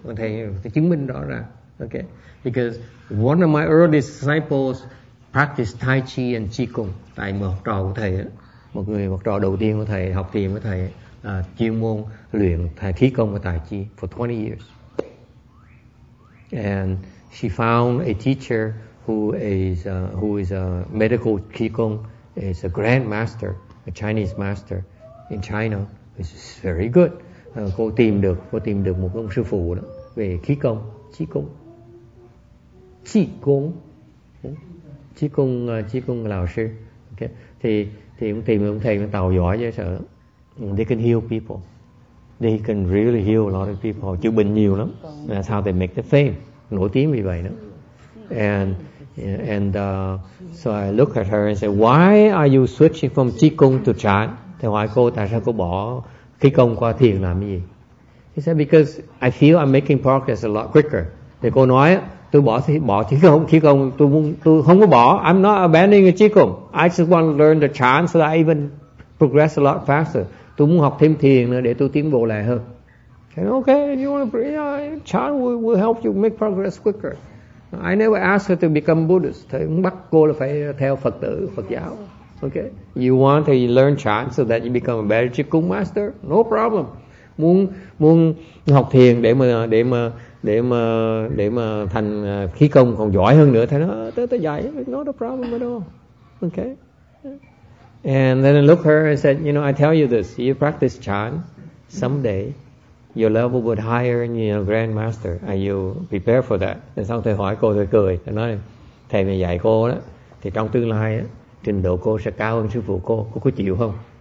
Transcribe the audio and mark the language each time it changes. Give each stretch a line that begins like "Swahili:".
Vietnamese: Thầy chứng minh rõ ràng.
English: Okay, because one of my earliest disciples practiced Tai Chi and Qigong.
Vietnamese: Tại một học trò của thầy, một người học trò đầu tiên của thầy học thiền với thầy chuyên môn luyện thầy khí công và Tai Chi
English: for 20 years. And she found a teacher who is a medical Qigong, is a grandmaster, a Chinese master in China, which is very good.
Vietnamese: Cô tìm được một ông sư phụ đó về khí công, Qigong lão sư. Okay. Thì ông tìm ông thầy ông Tàu giỏi vậy sợ.
English: They can heal people. They can really heal a lot of people.
Vietnamese: Chữa bệnh nhiều lắm.
English: That's how they make the fame.
Vietnamese: Nổi tiếng vì vậy đó.
English: And And so I look at her and say, why are you switching from chi kung to chan?
Vietnamese: Thì hỏi cô, tại sao cô bỏ khí công qua thiền làm gì?
English: She said, because I feel I'm making progress a lot quicker.
Vietnamese: Thì cô nói, tôi bỏ khí công, tôi không có bỏ.
English: I'm not abandoning the chi kung. I just want to learn the chan so that I even progress a lot faster.
Vietnamese: Tôi muốn học thêm thiền nữa để tôi tiến bộ lại hơn.
English: And okay, you want to pray? Chan will help you make progress quicker. I never asked her to become Buddhist.
Vietnamese: Thầy không bắt cô là phải theo Phật tử, Phật giáo.
English: Okay. You want to learn Chan so that you become a better Chikung master? No problem.
Vietnamese: Muốn học thiền để mà thành khí công còn giỏi hơn nữa. Thầy nói, tôi dạy,
English: not a problem at all.
Vietnamese: Okay.
English: And then I look at her and said, you know, I tell you this, you practice Chan someday, your level would higher than your grandmaster. Are you prepared for that?
Vietnamese: Thì sau thầy hỏi cô, thầy cười, thầy nói, thầy mà dạy cô đó, thì trong tương lai á, trình độ cô sẽ cao hơn sư phụ cô có chịu không?